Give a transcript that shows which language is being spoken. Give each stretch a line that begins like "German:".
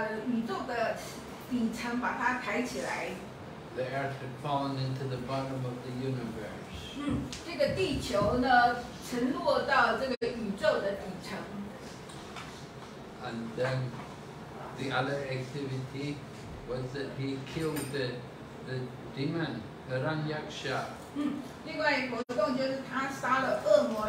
Chinese: 他进行了两项活动，一个是呢，把这个地球从这个宇宙的顶层把它抬起来。
English: The earth had fallen into the bottom of the universe.
Chinese: 这个地球呢，沉落到这个宇宙的底层。
English: And then the other activity was that he killed the demon, Hiranyaksha.
Chinese: 另外一个活动就是他杀了恶魔